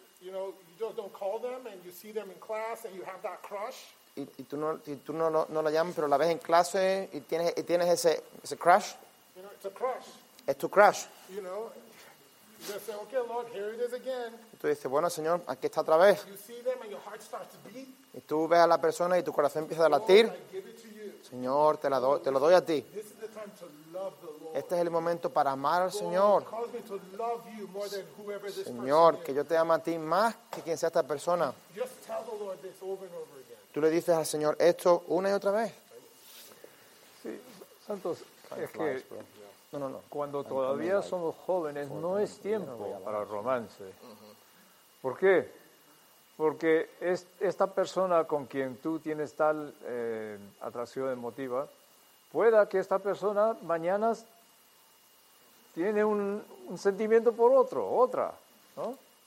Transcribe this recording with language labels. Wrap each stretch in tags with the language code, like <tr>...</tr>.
<en>You know, you just don't call them and you see them in class and you have that crush.</en> <es>Y tú no la llamas, pero la ves en clase y tienes ese crush.</es> <en>You know, it's a crush.</en> <es>Es tu crush.</es> <en>You know, you say, okay, Lord, here it is again.</en> <es>Tú dices, bueno, Señor, aquí está otra vez.</es> <en>You see them and your heart starts to beat.</en> <es>Y tú ves a la persona y tu corazón empieza a latir.</es> <en>Lord, I give it to you.</en> <es>Señor, te lo doy a ti.</es> <en>This is the time to love the Lord.</en> <es>Este es el momento para amar al</es> <en>Lord,</en> <es>Señor.</es> <en>Calls me to love you more than whoever this</en> <es>Señor,</es> <en>person is.</en> <es>Que yo te amo a ti más que quien sea esta persona.</es> <en>Just tell the Lord this over and over again.</en> <es>Tú le dices al Señor esto una y otra vez. Sí, Santos, es que... No. Cuando todavía somos jóvenes, no es tiempo para romance. ¿Por qué? Porque esta persona con quien tú tienes tal atracción emotiva, pueda que esta persona mañana tiene un sentimiento por otra, ¿no?</es>